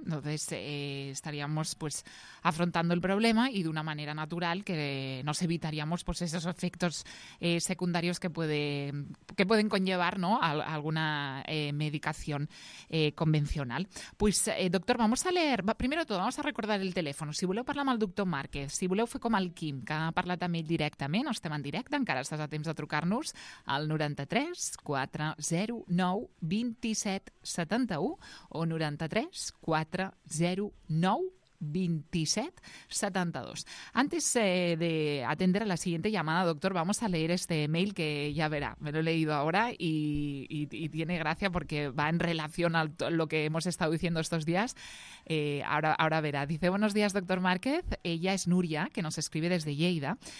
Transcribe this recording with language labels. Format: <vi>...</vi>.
<es>Entonces estaríamos pues afrontando el problema y de una manera natural que nos evitaríamos pues esos efectos secundarios que pueden conllevar, ¿no? Alguna medicación convencional. Pues doctor, vamos a leer. Primero todo, vamos a recordar el teléfono.</es> <ca>Si voleu parlar amb el doctor Márquez, si voleu fer com el Quim, que ha parlat amb ell directament, estem en directe, encara estàs a temps de trucar-nos al 93-409-2771 o 93-409-2771. 27-72.</ca> <es>Antes de atender a la siguiente llamada, doctor, vamos a leer este mail que ya verá. Me lo he leído ahora y tiene gracia porque va en relación a lo que hemos estado diciendo estos días. Ahora verá. Dice, buenos días, doctor Márquez. Ella es Nuria, que nos escribe desde Lleida.</es>